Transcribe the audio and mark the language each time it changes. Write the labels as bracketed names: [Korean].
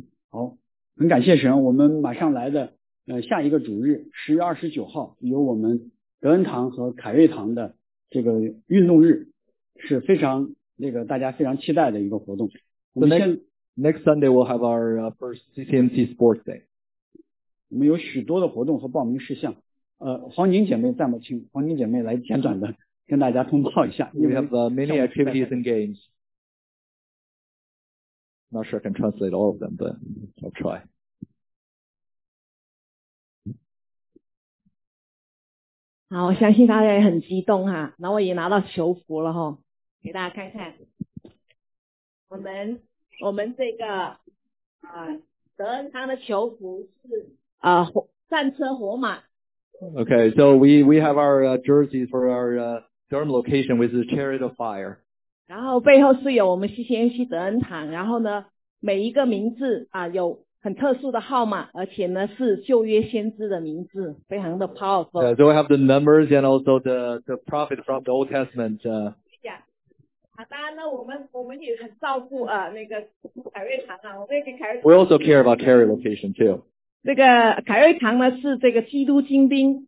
[Chinese] 好，很感谢神，我们马上来的。下一个主日10月29号由我们德恩堂和凯瑞堂的这个运动日，是非常那个大家非常期待的一个活动。 [English] So、next Sunday we'll have our first CCMC Sports Day. [Chinese] 我们有许多的活动和报名事项，黄宁姐妹在吗？请黄宁姐妹来简短的跟大家通报一下。 [English] We have many activities and games. Not sure I can translate all of them, but I'll try. [Chinese] 好，我相信大家也很激动哈、啊，那我也拿到球服了哈，给大家看看，我们这个德恩堂的球服是战车火马。 [English] Okay, so we have our jerseys for our Durham location with the Chariot of Fire. [Chinese] 然后背后是有我们CCMC德恩堂，然后呢每一个名字有。很特殊的号码，而且呢是旧约先知的名字，非常的 powerful. [English] Yeah, so we have the numbers and also the prophet from the Old Testament. [Chinese] 好，当然呢我们也很照顾那个凯瑞堂啊，我们也给凯瑞。 [English] We also care about Carey location too. [Chinese] 这个凯瑞堂呢是这个基督精兵。